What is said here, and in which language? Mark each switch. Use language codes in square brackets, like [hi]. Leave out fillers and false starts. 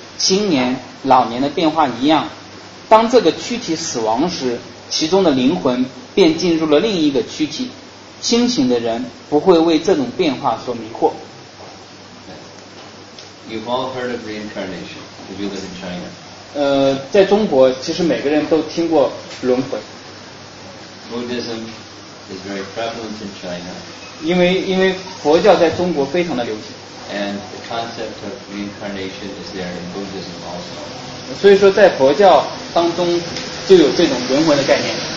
[zh] 青年、老年的变化一样，当这个躯体死亡时，其中的灵魂便进入了另一个躯体，清醒的人不会为这种变化所迷惑。 [en] You've all heard of reincarnation if you live in China. [zh] 在中国其实每个人都听过轮回。 [en] Buddhism is very prevalent in China. [zh] 因为佛教在中国非常的流行。 [en] And the concept of reincarnation is there in Buddhism also. [zh] 所以说在佛教当中就有这种轮回的概念。